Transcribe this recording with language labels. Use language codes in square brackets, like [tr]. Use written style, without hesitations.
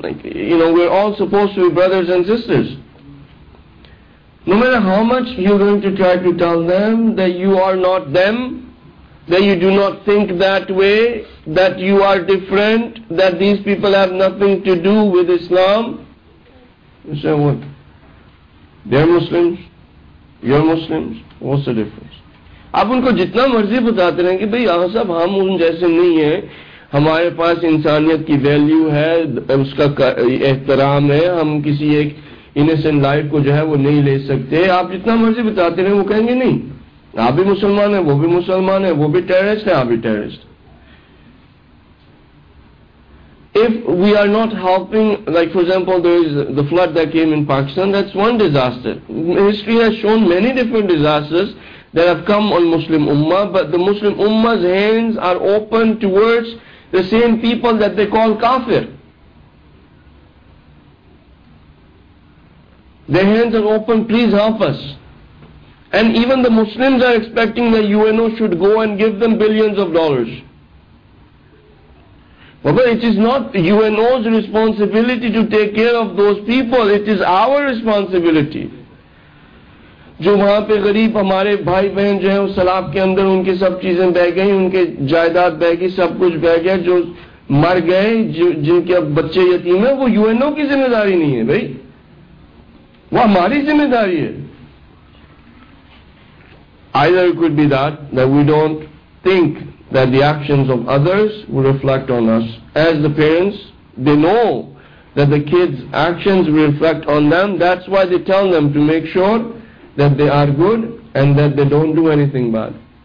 [en] Like, you know, we're all supposed to be brothers and sisters. No matter how much you're going to try to tell them that you are not them, that you do not think that way, that you are different, that these people have nothing to do with Islam, you say, what? They're Muslims, you're Muslims, what's the difference? [hi] आप उनको जितना मर्जी बताते रहें कि भई यहाँ सब हम उन जैसे नहीं है, हमारे पास इंसानियत की वैल्यू है, उसका एहतराम है, हम किसी एक इनोसेंट लाइफ को जो है वो नहीं ले सकते. आप जितना मर्जी बताते रहें, वो कहेंगे नहीं, आप भी मुसलमान है, वो भी मुसलमान है, वो भी टेररिस्ट है, आप भी terrorist. [en] If we are not helping, like for example there is the flood that came in Pakistan, that's one disaster. History has shown many different disasters that have come on Muslim Ummah, but the Muslim Ummah's hands are open towards the same people that they call kafir. Their hands are open, please help us. And even the Muslims are expecting that UNO should go and give them billions of dollars. But it is not UNO's responsibility to take care of those people, it is our responsibility. [hi] जो वहां पे गरीब हमारे भाई बहन जो है, उस सलाब के अंदर उनकी सब चीजें बह गई, उनके जायदाद बह गई, सब कुछ बह गया, जो मर गए, जिनके अब बच्चे यतीम है, वो यूएनओ की जिम्मेदारी नहीं है भाई, वो हमारी जिम्मेदारी है. [en] Either it could be that we don't think that the actions of others will reflect on us. As the parents, they know that the kids' actions will reflect on them. That's why they tell them to make sure that they are good and that they don't do anything bad.